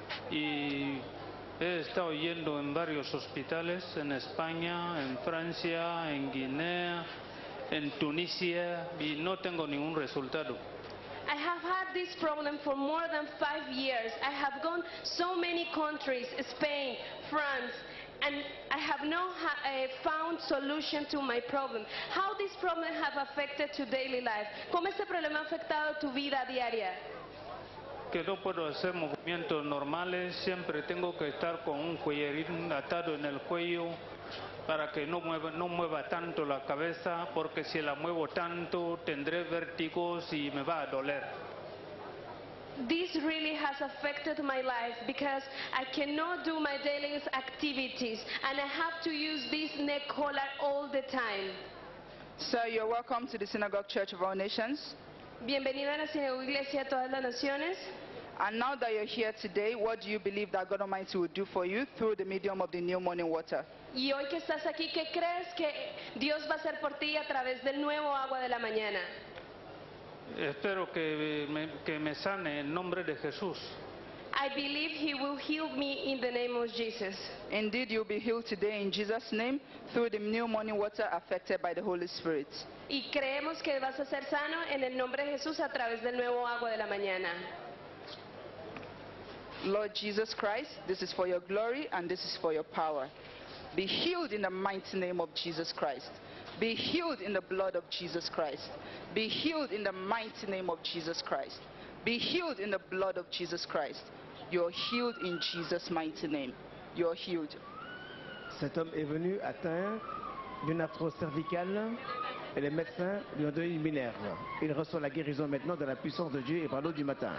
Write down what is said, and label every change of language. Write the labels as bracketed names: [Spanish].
[Spanish] Y he estado yendo en varios hospitales en España, en Francia, en Guinea, en Tunisia, y no tengo ningún resultado. [English] I have had this problem for more than 5 years. I have gone so many countries, Spain, France, and I have not found solution to my problem. How this problem have affected to daily life? [Spanish] ¿Cómo este problema ha afectado tu vida diaria? Que no puedo hacer movimientos normales, siempre tengo que estar con un collarín atado en el cuello, para que no mueva tanto la cabeza, porque si la muevo tanto tendré vértigos y me va a doler. [English] This really has affected my life because I cannot do my daily activities and I have to use this neck collar all the time. So you're welcome to the Synagogue Church of All Nations. [Spanish] Bienvenida a la Sinagoga Iglesia de todas las naciones. [English] And now that you're here today, what do you believe that God Almighty will do for you through the medium of the new morning water? [Spanish] Y hoy que estás aquí, ¿qué crees que Dios va a hacer por ti a través del nuevo agua de la mañana? Espero que me sane en nombre de Jesús. [English] I believe he will heal me in the name of Jesus. Indeed, you'll be healed today in Jesus' name through the new morning water affected by the Holy Spirit. [Spanish] Y creemos que vas a ser sano en el nombre de Jesús a través del nuevo agua de la mañana. [English] Lord Jesus Christ, this is for your glory and this is for your power. Be healed in the mighty name of Jesus Christ. Be healed in the blood of Jesus Christ. Be healed in the mighty name of Jesus Christ. Be healed in the blood of Jesus Christ. You're healed in Jesus' mighty name. You're healed. [French] Cet homme est venu atteint d'une arthrose cervicale et les médecins lui ont donné une minerve. Il reçoit la guérison maintenant de la puissance de Dieu et par l'eau du matin.